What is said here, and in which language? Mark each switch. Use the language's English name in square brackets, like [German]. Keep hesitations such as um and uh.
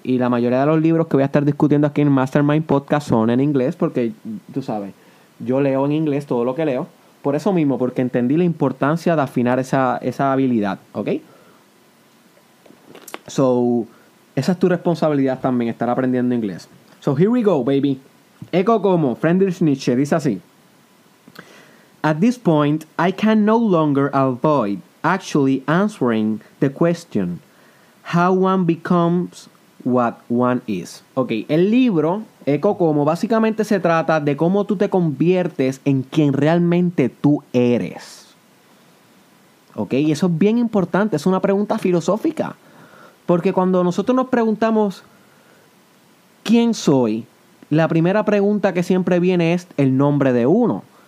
[Spanish] Y la mayoría de los libros que voy a estar discutiendo aquí en Mastermind Podcast son en inglés porque, tú sabes, yo leo en inglés todo lo que leo. Por eso mismo, porque entendí la importancia de afinar esa, esa habilidad, ¿ok? So, esa es tu responsabilidad también, estar aprendiendo inglés. [English] So, here we go, baby. Eco como Friedrich Nietzsche [Spanish] dice así. [English] At this point, I can no longer avoid actually answering the question how one becomes what one is. [Spanish] Ok, el libro Eco como básicamente se trata de cómo tú te conviertes en quien realmente tú eres. Ok, y eso es bien importante, es una pregunta filosófica. Porque cuando nosotros nos preguntamos quién soy, la primera pregunta que siempre viene es el nombre de uno.